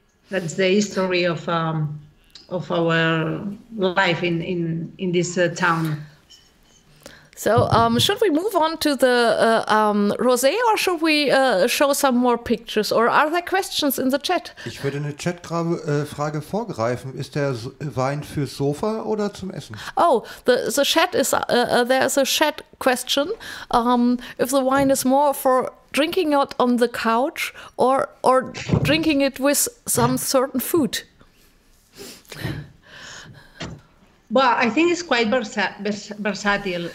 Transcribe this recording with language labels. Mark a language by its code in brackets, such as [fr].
[en] That's the history of our life in this town. So should we move on to the Rosé, or should we show some more pictures, or are there questions in the chat? [de] Ich würde eine Chat-Frage vorgreifen. Ist der Wein fürs Sofa oder zum Essen? [en] Oh, the chat is there is a chat question. If the wine is more for drinking it on the couch or drinking it with some certain food. Well, I think it's quite versatile.